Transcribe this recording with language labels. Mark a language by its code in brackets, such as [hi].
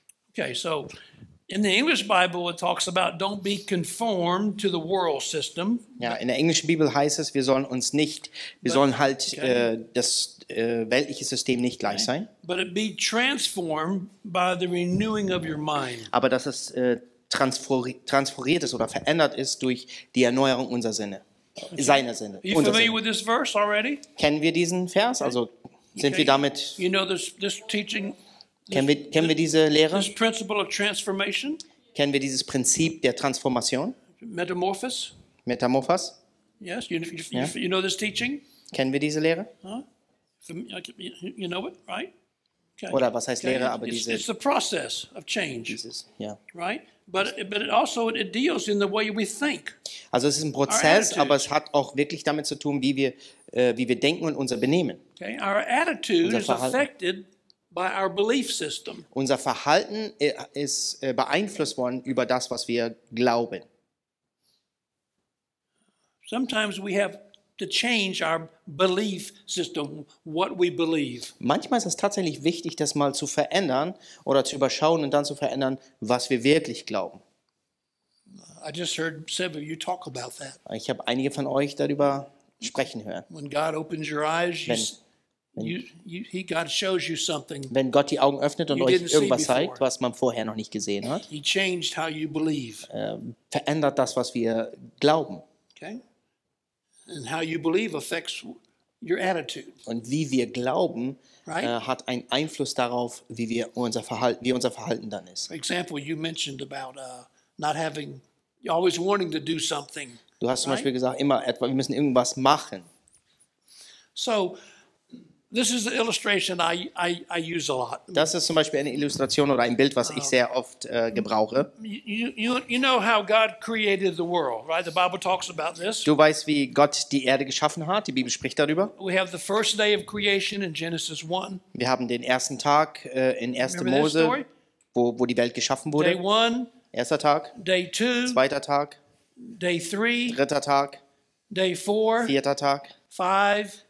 [en] Okay, so in the English Bible it talks about don't be conformed to the world system. [de] Ja, in der englischen Bibel heißt es, weltliche System nicht gleich sein. [en] But it be transformed by the renewing of your mind. [de] Aber dass es transformiert ist oder verändert ist durch die Erneuerung unserer Sinne, seiner Sinne. [en] Are you familiar with this verse already? [de] Kennen wir diesen Vers? Also sind wir damit? [en] You know this teaching. [de] Kennen wir diese Lehre? [en] This principle of transformation. [de] Kennen wir dieses Prinzip der Transformation? [en] Metamorphos. Yes. You know this teaching. [de] Kennen wir diese Lehre? [en] You know it, right? [de] Okay. Oder was heißt Lehre, aber diese... [en] It's the process of change, right? But it also deals in the way we think. [de] Also es ist ein Prozess, aber es hat auch wirklich damit zu tun, wie wir denken und unser Benehmen. [en] Okay. Our attitude is affected by our belief system. [de] Unser Verhalten ist beeinflusst worden über das, was wir glauben. [en] Sometimes we have... to change our belief system, what we believe. [de] Manchmal ist es tatsächlich wichtig, das mal zu verändern oder zu überschauen und dann zu verändern, was wir wirklich glauben. [en] I just heard several of you talk about that. [de] Ich habe einige von euch darüber sprechen hören. [en] When God opens your eyes, you, [de] Wenn Gott die Augen öffnet und euch irgendwas zeigt, was man vorher noch nicht gesehen hat, verändert das, was wir glauben. [en] Okay. And how you believe affects your attitude. [de] Und wie wir glauben, right? Hat einen Einfluss darauf, wie unser Verhalten dann ist. [en] For example, you mentioned about not having, you're always wanting to do something. [de] Du hast zum Beispiel gesagt, immer etwa, wir müssen irgendwas machen. [en] So, this is the illustration I use a lot. [de] Das ist zum Beispiel eine Illustration oder ein Bild, was ich sehr oft gebrauche. [en] You know how God created the world, right? The Bible talks about this. [de] Du weißt, wie Gott die Erde geschaffen hat. Die Bibel spricht darüber. [en] We have the first day of creation in Genesis 1. [de] Wir haben den ersten Tag in 1. Mose, wo die Welt geschaffen wurde. [en] Day 1. [de] Erster Tag. [en] Day 2. [de] Zweiter Tag. [en] Day 3. [de] Dritter Tag. [en] Day 4. [de] Vierter Tag. [en] 5.